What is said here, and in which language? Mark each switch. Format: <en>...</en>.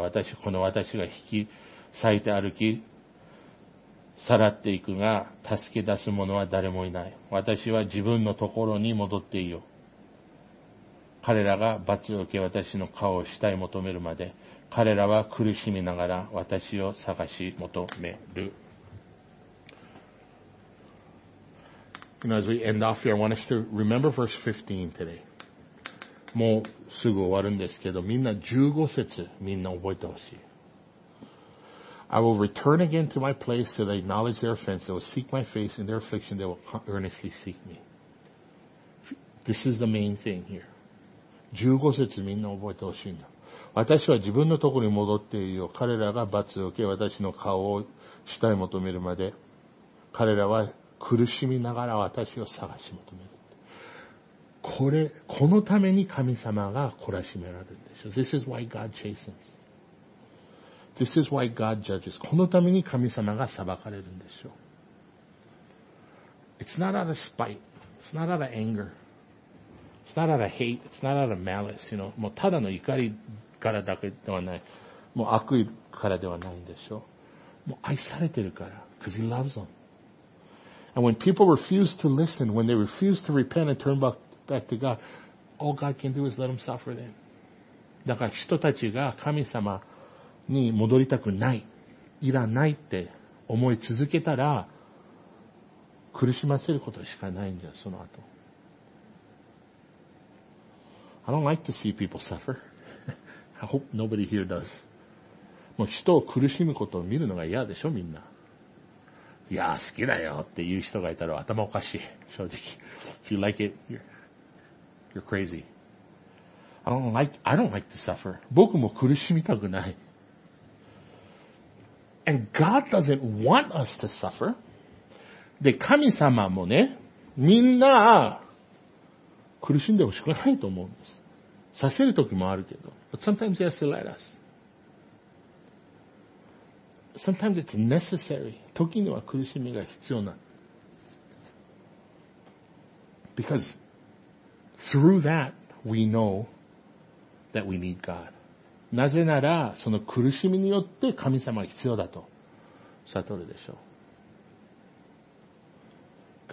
<ja>私、この私が引き裂いて歩き、さらっていくが、助け出す者は誰もいない。私は自分のところに戻っていいよ。彼らが罰を受け私の顔を慕い求めるまで、彼らは苦しみながら私を探し求める。</ja> <en>You know, as we end off here, I want us to remember verse 15 today.</en> <ja>もうすぐ終わるんですけど、みんな15節みんな覚えてほしい。</ja> <en>I will return again to my place till they acknowledge their offense. They will seek my face in their affliction. They will earnestly seek me. This is the main thing here.</en> <ja>15節みんな覚えてほしいんだ。私は自分のところに戻っていいよ。彼らが罰を受け、私の顔を慕い求めるまで、彼らは苦しみながら私を探し求める。これ、このために神様が懲らしめられるんでしょう。</ja> <en>This is why God chastens. This is why God judges.</en> <ja>このために神様が裁かれるんでしょう。</ja> <en>It's not out of spite. It's not out of anger. It's not out of hate. It's not out of malice. You know,</en> <ja>もうただの怒りからだけではない。もう悪意からではないんでしょう。もう愛されてるから。</ja> <en>Because he loves them. And when people refuse to listen, when they refuse to repent and turn back to God, all God can do is let them suffer then.</en> <ja>だから人たちが神様に戻りたくない。いらないって思い続けたら、苦しませることしかないんじゃ、その後。</ja> <en>I don't like to see people suffer. I hope nobody here does.</en> <ja>もう人を苦しむことを見るのが嫌でしょ、みんな。いや、好きだよっていう人がいたら頭おかしい、正直。</ja> <en>If you like it, you're crazy. I don't like to suffer.</en> <ja>僕も苦しみたくない。</ja> <en>And God doesn't want us to suffer.</en> <ja>で、神様もね、みんな苦しんでほしくないと思うんです。させるときもあるけど。</ja> <en>But sometimes he has to let us. Sometimes it's necessary.</en> <ja>時には苦しみが必要な。</ja> <en>Because through that, we know that we need God.</en> <ja>なぜなら、その苦しみによって神様が必要だと悟るでしょう。</ja>